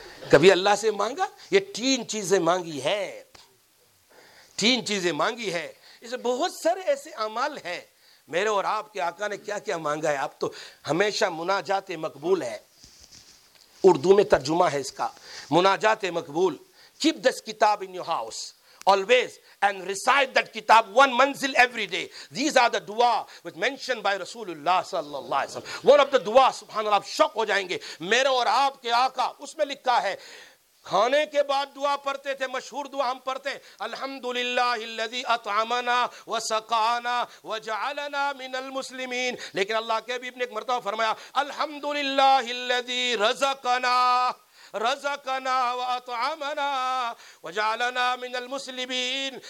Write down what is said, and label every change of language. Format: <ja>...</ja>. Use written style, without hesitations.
<ur>کبھی اللہ سے مانگا؟ یہ تین چیزیں مانگی ہے. اسے بہت سارے ایسے اعمال ہیں. میرے اور آپ کے آقا نے کیا کیا مانگا ہے؟ آپ تو ہمیشہ مناجات مقبول ہے, اردو میں ترجمہ ہے اس کا, مناجات مقبول.</ur> <en>Keep this kitab in your house always and recite that kitab one manzil every day. These are the dua which mentioned by Rasulullah sallallahu alaihi wasallam. One of the dua,</en> <ur>subhanallah, آپ شوق ہو جائیں گے. میرے اور آپ کے آقا, اس میں لکھا ہے کھانے کے بعد دعا پڑھتے تھے, مشہور دعا ہم پڑھتے ہیں,</ur> <ar>الحمدللہ الذی اطعمنا وسقانا وجعلنا من المسلمین.</ar> <ur>لیکن اللہ کے حبیب نے ایک مرتبہ فرمایا</ur> <ar>الحمدللہ الذی رزقنا واطعمنا وجعلنا من المسلمین.</ar>